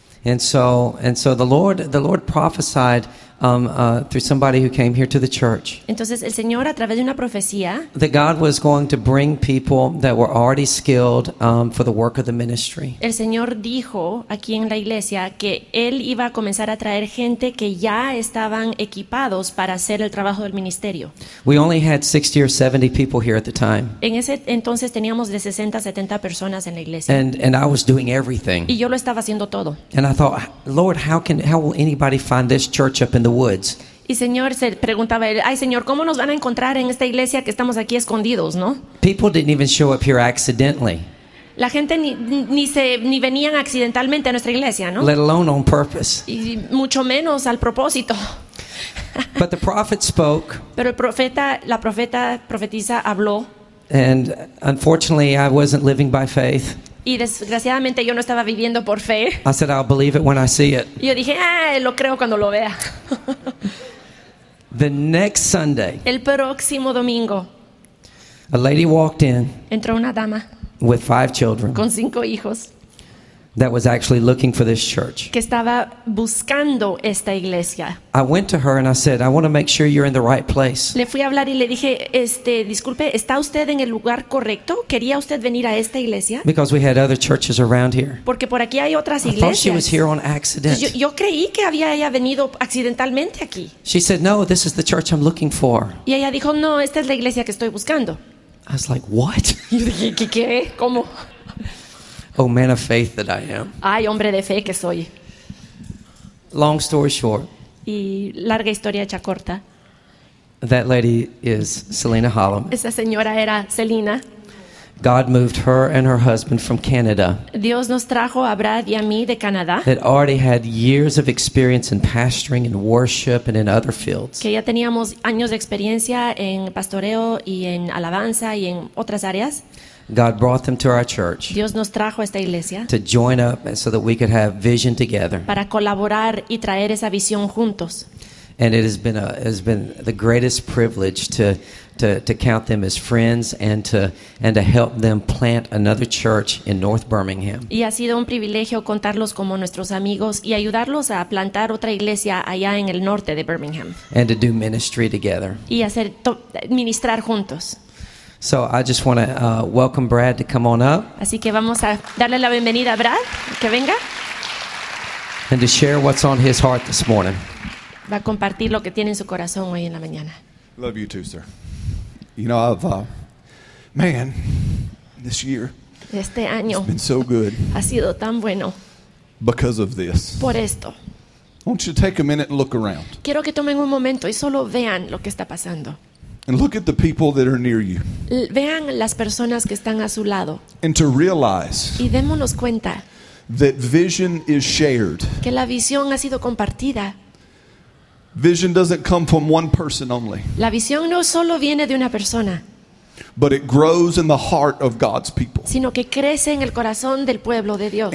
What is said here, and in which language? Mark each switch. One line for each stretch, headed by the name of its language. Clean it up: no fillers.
English: And so the Lord prophesied through somebody who came here to the church.
Spanish: Entonces el Señor a través de una profecía.
English: That God was going to bring people that were already skilled for the work of the ministry.
Spanish: El Señor dijo aquí en la iglesia que él iba a comenzar a traer gente que ya estaban equipados para hacer el trabajo del ministerio.
English: We only had 60 or 70 people here at the time.
Spanish: En ese entonces teníamos de 60 a 70 personas en la iglesia.
English: And I was doing everything.
Spanish: Y yo lo estaba haciendo todo.
English: And I thought, Lord, how will anybody find this church up in the woods?
Spanish: Y Señor se preguntaba él, ay Señor, ¿cómo nos van a encontrar en esta iglesia que estamos aquí escondidos, no?
English: People didn't even show up here accidentally.
Spanish: La gente ni venían accidentalmente a nuestra iglesia, ¿no?
English: Let alone on purpose.
Spanish: Y mucho menos al propósito.
English: But the prophet spoke.
Spanish: Pero la profetisa habló.
English: And unfortunately I wasn't living by faith.
Spanish: Y desgraciadamente yo no estaba viviendo por fe.
English: I said, I'll believe it when I see it.
Spanish: Yo dije, lo creo cuando lo vea.
English: The next Sunday.
Spanish: El próximo domingo.
English: A lady walked in.
Spanish: Entró una dama.
English: With 5 children.
Spanish: Con 5 hijos.
English: That was actually looking for this church.
Spanish: Que estaba buscando esta iglesia.
English: I went to her and I said, I want to make sure you're in the right place.
Spanish: Le fui a hablar y le dije, disculpe, ¿está usted en el lugar correcto? ¿Quería usted venir a esta iglesia?
English: Because we had other churches around here.
Spanish: Porque por aquí hay otras iglesias.
English: I thought she was here on accident.
Spanish: Yo creí que había ella venido accidentalmente aquí.
English: She said, no, this is the church I'm looking for.
Spanish: Y ella dijo, no, esta es la iglesia que estoy buscando.
English: I was like, what?
Spanish: Yo dije, ¿qué? ¿Cómo?
English: Oh, man of faith that I am.
Spanish: Ay, hombre de fe que soy.
English: Long story short.
Spanish: Y larga historia hecha corta.
English: That lady is Selena Hallam.
Spanish: Esa señora era Selena.
English: God moved her and her husband from Canada.
Spanish: Dios nos trajo a Brad y a mí de Canadá.
English: That already had years of experience in pastoring and worship and in other fields.
Spanish: Que ya teníamos años de experiencia en pastoreo y en alabanza y en otras áreas.
English: God brought them to our church.
Spanish: Dios nos trajo a esta iglesia.
English: To join up so that we could have vision together.
Spanish: Para colaborar y traer esa visión juntos.
English: And it has been it has been the greatest privilege to count them as friends and to help them plant another church in North Birmingham.
Spanish: Y ha sido un privilegio contarlos como nuestros amigos y ayudarlos a plantar otra iglesia allá en el norte de Birmingham.
English: And to do ministry together.
Spanish: Y hacer ministrar juntos.
English: So I just want to welcome Brad to come on up.
Spanish: Así que vamos a darle la bienvenida a Brad, que venga.
English: And to share what's on his heart this morning.
Spanish: Va a compartir lo que tiene en su corazón hoy en la mañana.
English: Love you too, sir. You know, I've man, this year.
Spanish: Este año.
English: It's been so good.
Spanish: Ha sido tan bueno.
English: Because of this.
Spanish: Por esto.
English: I want you to take a minute and look around.
Spanish: Quiero que tomen un momento y solo vean lo que está pasando.
English: And look at the people that are near you.
Spanish: Vean las personas que están a su lado.
English: And to realize.
Spanish: Y démonos cuenta.
English: That vision is shared.
Spanish: Que la visión ha sido compartida.
English: Vision doesn't come from one person only.
Spanish: La visión no solo viene de una persona.
English: But it grows in the heart of God's people.
Spanish: Sino que crece en el corazón del pueblo de Dios.